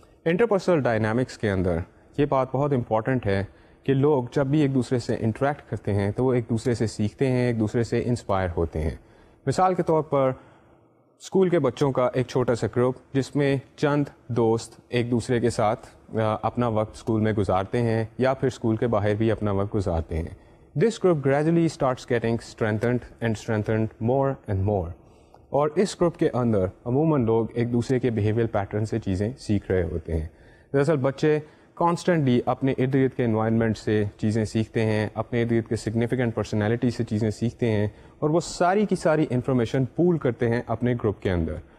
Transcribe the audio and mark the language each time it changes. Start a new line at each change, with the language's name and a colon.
Urdu: Interpersonal dynamics کے اندر یہ بات بہت امپورٹنٹ ہے کہ لوگ جب بھی ایک دوسرے سے انٹریکٹ کرتے ہیں تو وہ ایک دوسرے سے سیکھتے ہیں, ایک دوسرے سے انسپائر ہوتے ہیں. مثال کے طور پر اسکول کے بچوں کا ایک چھوٹا سا گروپ جس میں چند دوست ایک دوسرے کے ساتھ اپنا وقت اسکول میں گزارتے ہیں یا پھر اسکول کے باہر بھی اپنا وقت گزارتے ہیں.
English: This group gradually starts getting strengthened more and more.
Urdu: اور اس گروپ کے اندر عموماً لوگ ایک دوسرے کے بیہیویئر پیٹرن سے چیزیں سیکھ رہے ہوتے ہیں. دراصل بچے کانسٹنٹلی اپنے ارد گرد کے انوائرمنٹ سے چیزیں سیکھتے ہیں, اپنے ارد گرد کے سگنیفیکنٹ پرسنالٹی سے چیزیں سیکھتے ہیں, اور وہ ساری کی ساری انفارمیشن پول کرتے ہیں اپنے گروپ کے اندر.